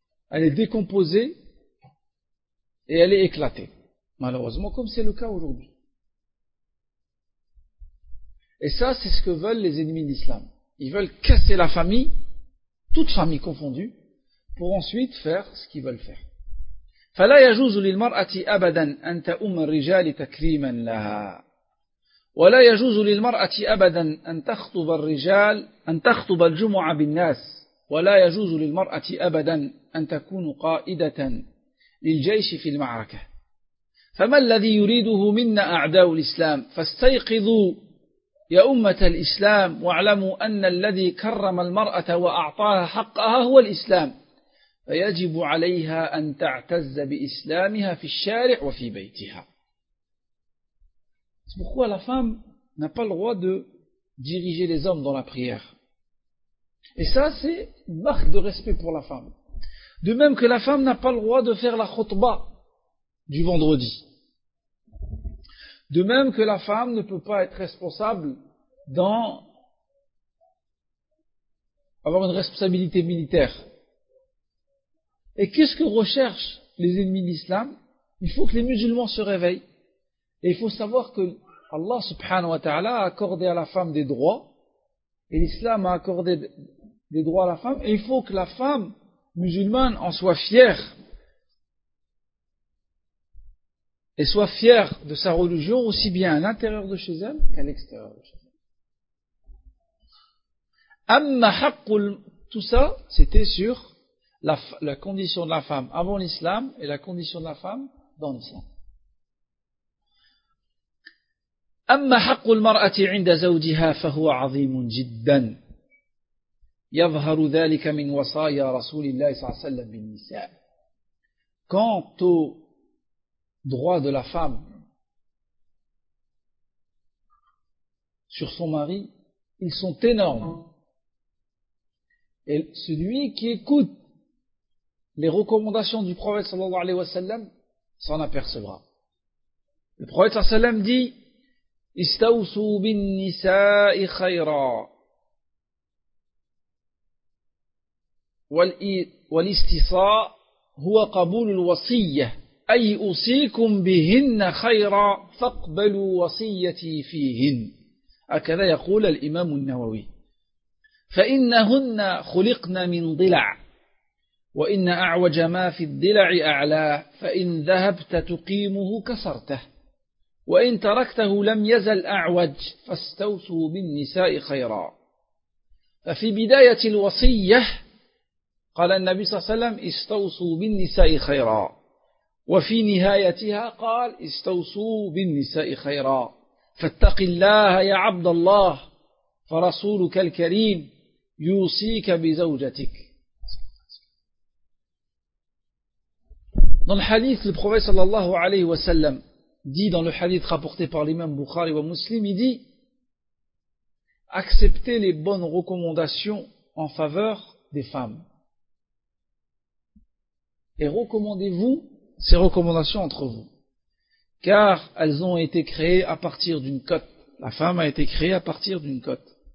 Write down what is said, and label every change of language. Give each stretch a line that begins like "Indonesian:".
French: Elle est décomposée et elle est éclatée. Malheureusement, comme c'est le cas aujourd'hui. Et ça, c'est ce que veulent les ennemis de l'islam. Ils veulent casser la famille, toute famille confondue, pour ensuite faire ce qu'ils veulent faire.
Arabic: فَلَا يَجُوزُ لِلْمَرْأَةِ أَبَدًا أَن تَأُمَّ الرِّجَالِ تَكْرِيمًا لَهَا ولا يجوز للمرأة أبدا أن تخطب الرجال أن تخطب الجمعة بالناس ولا يجوز للمرأة أبدا أن تكون قائدة للجيش في المعركة فما الذي يريده منا أعداء الإسلام فاستيقظوا يا أمة الإسلام واعلموا أن الذي كرم المرأة وأعطاها حقها هو الإسلام فيجب عليها أن تعتز بإسلامها في الشارع وفي بيتها.
French: C'est pourquoi la femme n'a pas le droit de diriger les hommes dans la prière. Et ça, c'est une marque de respect pour la femme. De même que la femme n'a pas le droit de faire la khutba du vendredi. De même que la femme ne peut pas être responsable dans avoir une responsabilité militaire. Et qu'est-ce que recherchent les ennemis de l'islam ? Il faut que les musulmans se réveillent. Et il faut savoir que Allah subhanahu wa ta'ala a accordé à la femme des droits et l'islam a accordé des droits à la femme et il faut que la femme musulmane en soit fière et soit fière de sa religion aussi bien à l'intérieur de chez elle qu'à l'extérieur de chez elle.
Arabic: Amma haqqul,
French: tout ça c'était sur la condition de la femme avant l'islam et la condition de la femme dans l'islam.
Arabic: أما حق المرأة عند زوجها فهو عظيم جدا يظهر ذلك من وصايا رسول الله صلى الله عليه وسلم بالنساء.
French: Quant au droit de la femme sur son mari, ils sont énormes. Et celui qui écoute les recommandations du prophète صلى الله عليه وسلم s'en apercevra. Le prophète صلى الله عليه وسلم dit:
Arabic: استوصوا بالنساء خيرا والاستصاء هو قبول الوصية أي أوصيكم بهن خيرا فاقبلوا وصيتي فيهن أكذا يقول الإمام النووي فإنهن خلقن من ضلع وإن أعوج ما في الضلع أعلى فإن ذهبت تقيمه كسرته وإن تركته لم يزل أعوج فاستوصوا بالنساء خيرا ففي بداية الوصية قال النبي صلى الله عليه وسلم استوصوا بالنساء خيرا وفي نهايتها قال استوصوا بالنساء خيرا فاتق الله يا عبد الله فرسولك الكريم يوصيك بزوجتك.
French: Dans le hadith, le prophète sallallahu alayhi wa sallam dit dans le hadith rapporté par l'imam Bukhari wa Muslim, il dit « Acceptez les bonnes recommandations en faveur des femmes et recommandez-vous ces recommandations entre vous, car elles ont été créées à partir d'une côte. » La femme a été créée à partir d'une côte.